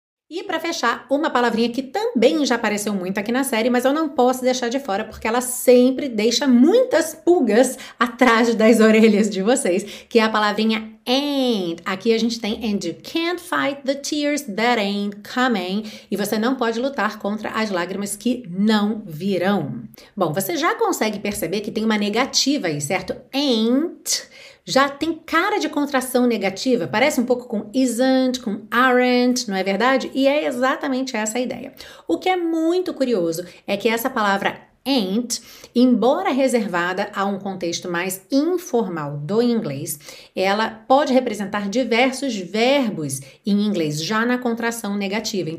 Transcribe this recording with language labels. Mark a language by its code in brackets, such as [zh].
[pt] E para fechar, uma palavrinha que também já apareceu muito aqui na série, mas eu não posso deixar de fora porque ela sempre deixa muitas pulgas atrás das orelhas de vocês, que é a palavrinha and. Aqui a gente tem [en] and you can't fight the tears that ain't coming. [pt] E você não pode lutar contra as lágrimas que não virão. Bom, você já consegue perceber que tem uma negativa aí, certo? Ain't. Já tem cara de contração negativa, parece um pouco com isn't, com aren't, não é verdade? E é exatamente essa a ideia. O que é muito curioso é que essa palavra ain't, embora reservada a um contexto mais informal do inglês, ela pode representar diversos verbos em inglês, já na contração negativa.